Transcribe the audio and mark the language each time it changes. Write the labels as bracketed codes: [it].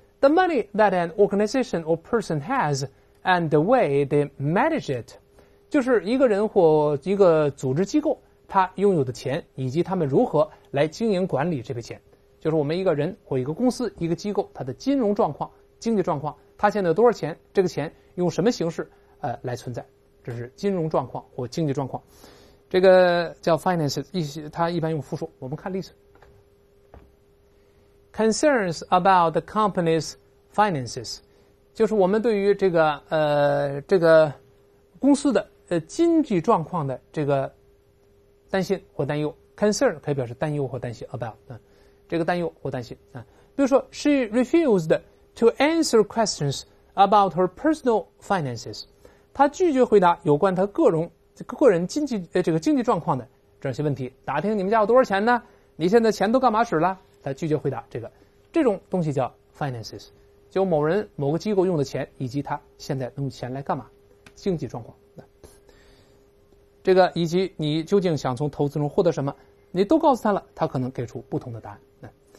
[en] the money that an organization or person has and the way they manage it. [zh] 就是一个人或一个组织机构他拥有的钱以及他们如何来经营管理这笔钱。就是我们一个人或一个公司一个机构他的金融状况经济状况他现在有多少钱这个钱用什么形式来存在。这是金融状况或经济状况。这个叫 finances, 它一般用复数。我们看例子。 [en] Concerns about the company's finances. [zh] 就是我们对于这个公司的经济状况的这个担心或担忧。 Concern 可以表示担忧或担心 about, 这个担忧或担心。比如说 [en] she refused to answer questions about her personal finances. [zh] 她拒绝回答有关她个人经济这个经济状况的这些问题。打听你们家有多少钱呢？你现在钱都干嘛使了？他拒绝回答这个，这种东西叫 finances, 就某人某个机构用的钱以及他现在用钱来干嘛，经济状况，这个以及你究竟想从投资中获得什么，你都告诉他了，他可能给出不同的答案。